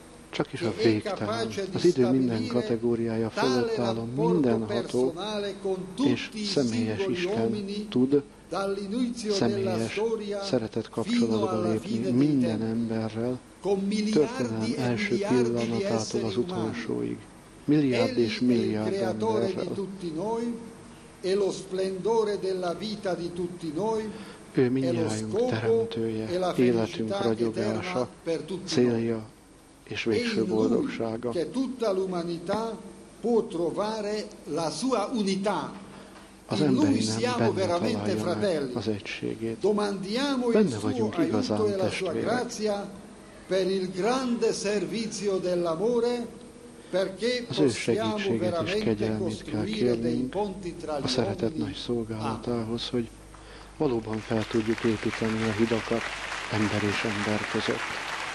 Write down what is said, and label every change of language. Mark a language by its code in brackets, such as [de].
[hu] csak is a végtelen, az idő minden kategóriája fölött álló mindenható és személyes Isten tud személyes szeretett kapcsolatba lépni minden emberrel, történelem első pillanatától az utolsóig, milliárd és milliárd emberrel. [it] E lo splendore della vita di tutti noi, [hu] ő mindnyájunk teremtője, életünk ragyogása, célja és végső boldogsága. [it] Che tutta l'umanità può trovare la sua unità. [hu] Az emberi nem benne találja meg az egységét. Benne vagyunk igazán testvérek. [it] Per il grande servizio dell'amore, perché [hu] az ő segítséget és kegyelmét kell kérnünk a szeretet nagy szolgálatához, hogy valóban fel tudjuk építeni a hidakat ember és ember között.